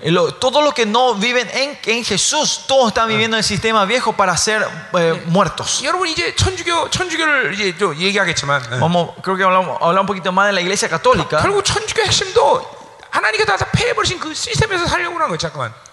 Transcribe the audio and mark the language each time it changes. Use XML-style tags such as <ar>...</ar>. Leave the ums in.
<es>Lo, todo lo que no viven en, en Jesús, todos están viviendo 응. el sistema viejo para ser eh, muertos.</es> <ko>여러분 이제 천주교 천주교를 이제 좀 얘기하겠지만, 어머, 응.</ko> <es>creo que hablamos hablamos un poquito más de la Iglesia Católica.</es> <ko>결국 천주교 핵심도 하나님께서 다 폐해버리신 그 시스템에서 살려고 하는 거 잠깐만.</ko>